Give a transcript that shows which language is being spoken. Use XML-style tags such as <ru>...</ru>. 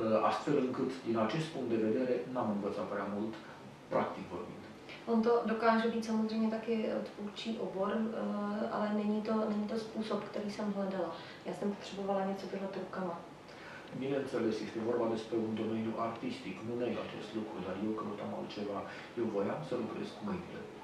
<ro>Astfel încât, din acest punct de vedere, n-am învățat prea mult, practic vorbind.</ro> <cs>On to dokáže být samozřejmě taky tvůrčí obor, ale není to způsob, který jsem hledala. Já jsem potřebovala něco dělat rukama.</cs> <ro>Bineînțeles, este vorba despre un domeniu artistic, nu neg acest lucru, dar eu căutam altceva. Eu voiam să lucrez cu mâinile.</ro>